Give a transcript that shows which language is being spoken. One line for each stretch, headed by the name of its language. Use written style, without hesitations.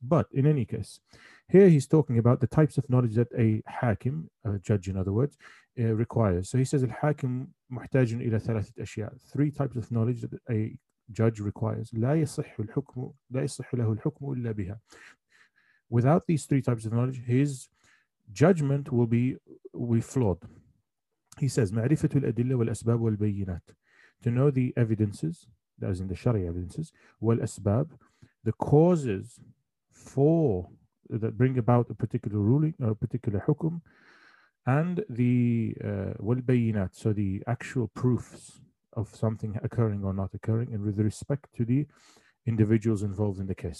English: But in any case, here he's talking about the types of knowledge that a hakim, a judge in other words, requires. So he says,
Arabic: al-hakim muhtajun ila thalathat ashiya,
English: three types of knowledge that a judge requires.
Arabic: لا يصح له الحكم إلا بها.
English: Without these three types of knowledge, his judgment will be flawed. He says,
Arabic: معرفة الأدلة والأسباب والبينات.
English: To know the evidences, that is in the Sharia evidences, والأسباب, the causes for that bring about a particular ruling or a particular hukum, and the walbayinat, so the actual proofs of something occurring or not occurring, and with respect to the individuals involved in the case.